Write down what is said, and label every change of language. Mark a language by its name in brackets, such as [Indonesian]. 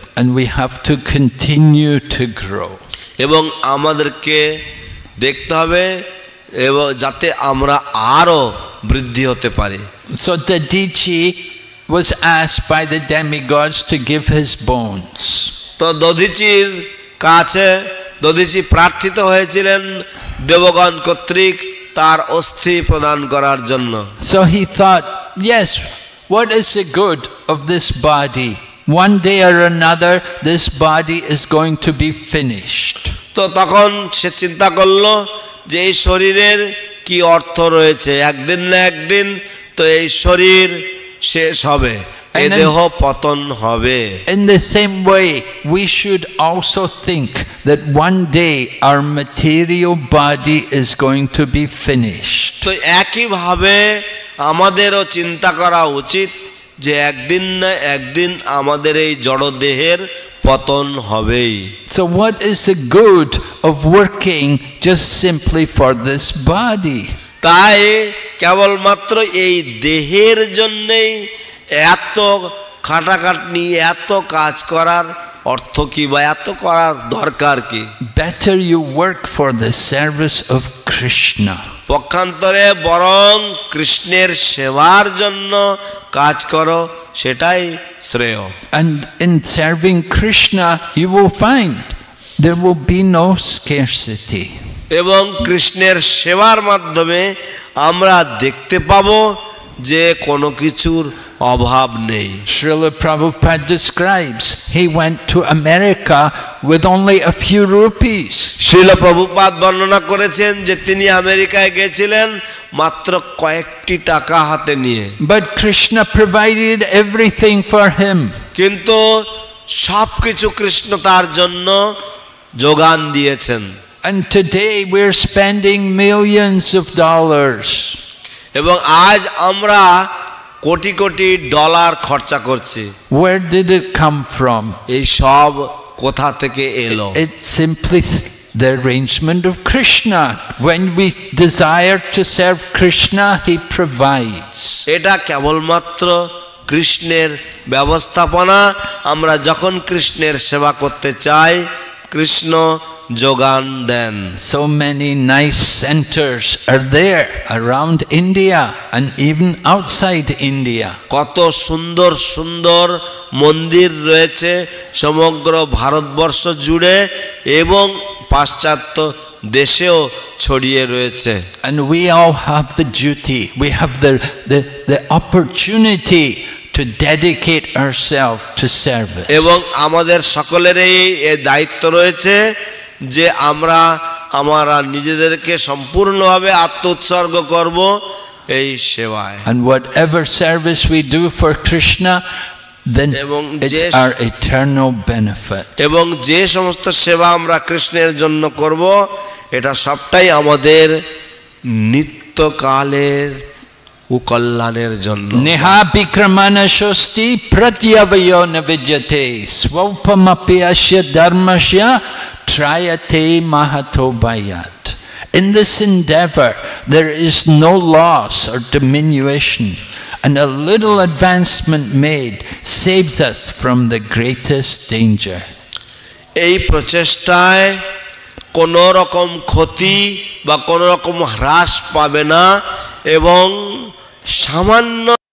[English] And we have to continue to grow. [Bangla] এবং আমাদেরকে দেখতে হবে এবং যাতে আমরা আরো বৃদ্ধি হতে পারি। [English] So the Dichi was asked by the demigods to give his bones. [Bangla] তো দধিচির কাছে দধিচি প্রার্থিত হয়েছিলেন দেবগণ কর্তৃক তার অস্থি প্রদান করার জন্য। [English] So he thought, yes, what is the good of this body? One day or another, this body is going to be finished. [Bangla] তো তখন সে চিন্তা করলো যে এই শরীরের কি অর্থ রয়েছে, একদিন না একদিন তো এই শরীর শেষ হবে, এই দেহ পতন হবে। [English] In the same way, we should also think that one day our material body is going to be finished. [Bangla] তো একইভাবে আমাদেরও চিন্তা করা উচিত যে একদিন না একদিন আমাদের এই জড় দেহের পতন হবেই। [English] So what is the good of working just simply for this body? [Bangla] তাই কেবল মাত্র এই দেহের জন্যই এত খাটাখাটনি, এত কাজ করার অর্থ কি বা এত করার দরকার কি? [English] Better you work for the service of Krishna. [Bangla] পক্ষান্তরে বরং কৃষ্ণের সেবার জন্য কাজ করো, সেটাই শ্রেয়। [English] And in serving Krishna you will find there will be no scarcity. [Bangla] এবং কৃষ্ণের সেবার মাধ্যমে আমরা দেখতে পাবো যে কোনো কিছুর অভাব নেই। [English] Srila Prabhupada describes he went to America with only a few rupees. [Bangla] Srila Prabhupada বর্ণনা করেছেন যে তিনি আমেরিকায় গিয়েছিলেন মাত্র কয়েকটি টাকা হাতে নিয়ে। [English] But Krishna provided everything for him. [Bangla] কিন্তু সবকিছু কৃষ্ণ তার জন্য যোগান দিয়েছেন। [English] And today we are spending millions of dollars. [Bangla] এবং আজ আমরা কোটি কোটি ডলার খরচা করছি। [English] Where did it come from? [Bangla] এই সব কোথা থেকে এলো? [English] It's simply the arrangement of Krishna. When we desire to serve Krishna, he provides. [Bangla] এটা কেবলমাত্র কৃষ্ণের ব্যবস্থাপনা। আমরা যখন কৃষ্ণের সেবা করতে চাই, কৃষ্ণ যোগান দেন। [English] So many nice centers are there around India and even outside India. [Bangla] কত সুন্দর সুন্দর মন্দির রয়েছে সমগ্র ভারতবর্ষ জুড়ে এবং পাশ্চাত্য দেশেও ছড়িয়ে রয়েছে। [English] And we all have the duty, we have the opportunity to dedicate ourselves to service. [Bangla] এবং আমাদের সকলেরই এই দায়িত্ব রয়েছে যে আমরা আমরা নিজেদেরকে সম্পূর্ণভাবে আত্মোৎসর্গ করব এই সেবায়। [English] And whatever service we do for Krishna, then it's our eternal benefit. [Bangla] এবং যে সমস্ত সেবা আমরা কৃষ্ণের জন্য করব, এটা সবটাই আমাদের নিত্যকালের কল্যাণের জন্য। [Sanskrit] নেহা বিক্রমান স্বস্তি প্রত্যবয় নিবেদ্যতে স্বল্পমপি অস্য ধর্মস্য ত্রয়তে মহতো ব্যয়াত্। [English] In this endeavor, there is no loss or diminution, and a little advancement made saves us from the greatest danger. [Bangla] এই প্রচেষ্টায় কোনো রকম ক্ষতি বা কোনো রকম হ্রাস পাবে না এবং সামান্য